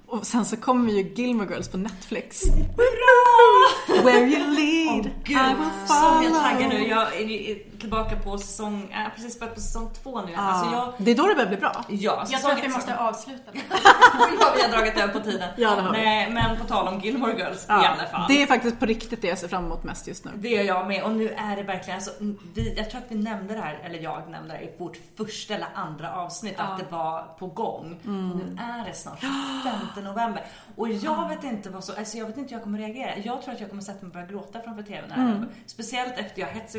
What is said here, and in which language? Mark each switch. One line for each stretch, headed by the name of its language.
Swedish: Och sen så kommer ju Gilmore Girls på Netflix. Bra!
English: Where you lead, I will follow.
Swedish: Som jag taggar nu, jag är tillbaka på säsong, jag har precis börjat på säsong 2 nu. Alltså jag, det är då det börjar bli bra. Ja, jag tror att vi måste avsluta det. Vi har dragit över på tiden. Ja, men på tal om Gilmore Girls i alla fall. Det är faktiskt på riktigt det jag ser fram emot mest just nu. Det gör jag med, och nu är det verkligen alltså, jag tror att vi nämnde det här, eller jag nämnde det här, i vårt första eller andra avsnitt att det var på gång. Nu är det snart 15 november. Och jag vet inte vad så, alltså jag vet inte hur jag kommer reagera. Jag tror att jag kommer sätta mig och börja gråta framför tvn. Speciellt efter jag hetsar.